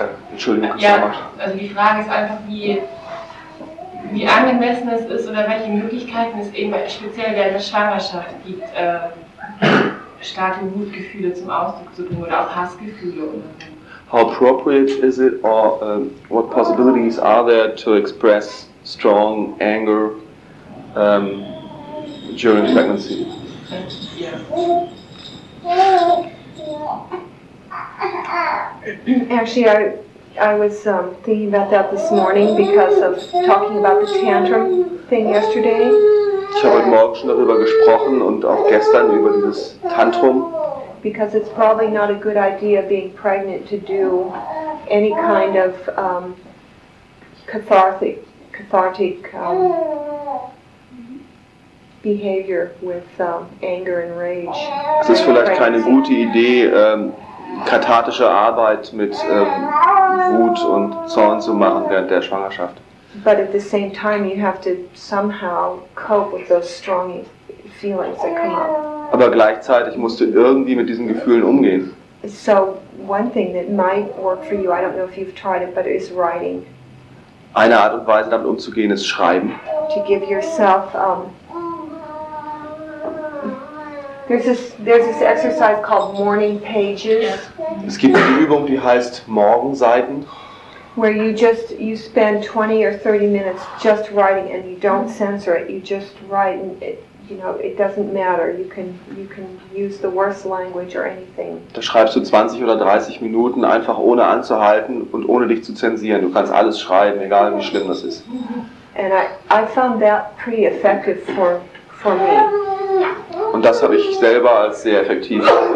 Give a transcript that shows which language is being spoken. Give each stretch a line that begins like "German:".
German: Entschuldigung. Ja, also die Frage ist einfach, wie angemessen es ist oder welche Möglichkeiten es eben speziell während der Schwangerschaft gibt, starke Wutgefühle zum Ausdruck zu bringen oder auch Hassgefühle oder so.
English: How appropriate is it, or what possibilities are there to express strong anger during pregnancy? Actually, I was thinking about that this morning because of talking about the tantrum thing yesterday.
German: Ich habe heute Morgen schon darüber gesprochen und auch gestern über dieses Tantrum.
English: Because it's probably not a good idea being pregnant to do any kind of cathartic behavior with anger and rage.
German: Es ist vielleicht keine gute Idee, kathartische Arbeit mit Wut und Zorn zu machen während der Schwangerschaft.
English: But at the same time, you have to somehow cope with those strong feelings that come up.
German: Aber gleichzeitig musst du irgendwie mit diesen Gefühlen umgehen.
English: So one thing that might work for you, I don't know if you've tried it, but it is writing.
German: Eine Art und Weise, damit umzugehen, ist Schreiben.
English: To give yourself there's this exercise called morning pages.
German: Es gibt eine Übung, die heißt Morgenseiten.
English: Where you spend 20 or 30 minutes just writing and you don't censor it. You just write and it doesn't matter. You can use the worst language or anything.
German: Da schreibst du 20 oder 30 Minuten einfach ohne anzuhalten und ohne dich zu zensieren. Du kannst alles schreiben, egal wie schlimm das ist.
English: And I found that pretty effective for me.
German: Und das habe ich selber als sehr effektiv.